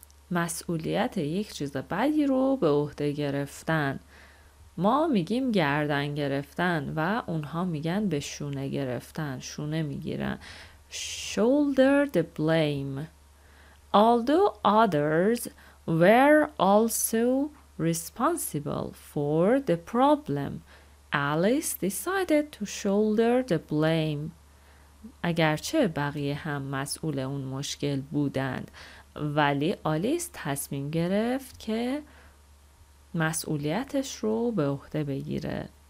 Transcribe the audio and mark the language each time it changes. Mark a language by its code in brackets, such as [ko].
[fa] مسئولیت یک چیز بدی رو به عهده گرفتن. ما میگیم گردن گرفتن و اونها میگن به شونه گرفتن، شونه میگیرن. [en] Shoulder the blame. Although others were also responsible for the problem, Alice decided to shoulder the blame. [fa] اگرچه بقیه هم مسئول اون مشکل بودند، ولی آلیس تصمیم گرفت که مسئولیتش رو به عهده بگیره.